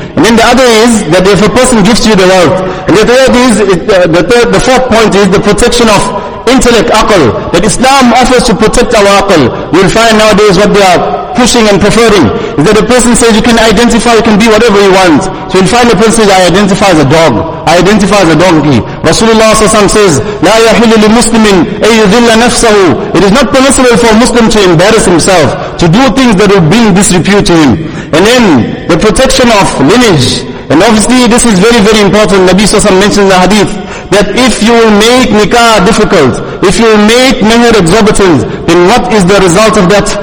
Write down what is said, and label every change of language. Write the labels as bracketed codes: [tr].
[en] And then the other is that if a person gives you the wealth. And the third is, the fourth point is the protection of intellect, aql, that Islam offers to protect our aql. We'll find nowadays what they are pushing and preferring. Is that a person says you can identify, you can be whatever you want. So you'll find a person says, I identify as a donkey. Rasulullah says, [ar] لَا يَحِلُّ لِمُسْلِمٍ أَن يُذِلَّ نَفْسَهُ. [en] It is not permissible for a Muslim to embarrass himself, to do things that will bring disrepute to him. And then, the protection of lineage. And obviously, this is very, very important. Nabi Sassam mentioned the hadith, that if you will make nikah difficult, if you will make mahr exorbitant, then what is the result of that?